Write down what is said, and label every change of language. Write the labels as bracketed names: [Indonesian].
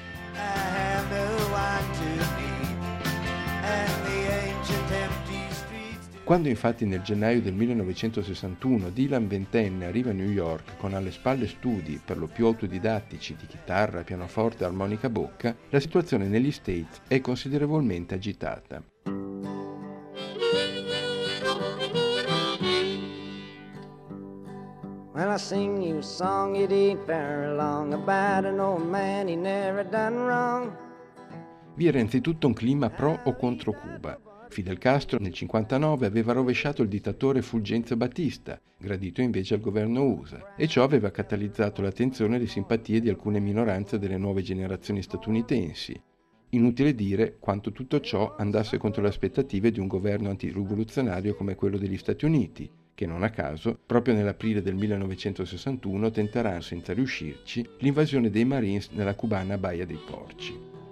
[Italian] No, Quando infatti nel gennaio del 1961 Dylan, ventenne, arriva a New York con alle spalle studi per lo più autodidattici di chitarra, pianoforte e armonica bocca, la situazione negli States è considerevolmente agitata. [English] Well, I sing you a song it ain't very long about an old man he never done wrong. [Italian] Vi era anzitutto un clima pro o contro Cuba. Fidel Castro nel 59 aveva rovesciato il dittatore Fulgencio Batista, gradito invece al governo USA, e ciò aveva catalizzato l'attenzione e le simpatie di alcune minoranze delle nuove generazioni statunitensi. Inutile dire quanto tutto ciò andasse contro le aspettative di un governo antirivoluzionario come quello degli Stati Uniti, che non a caso, proprio nell'aprile del 1961, tenterà, senza riuscirci, l'invasione dei Marines nella cubana Baia dei Porci.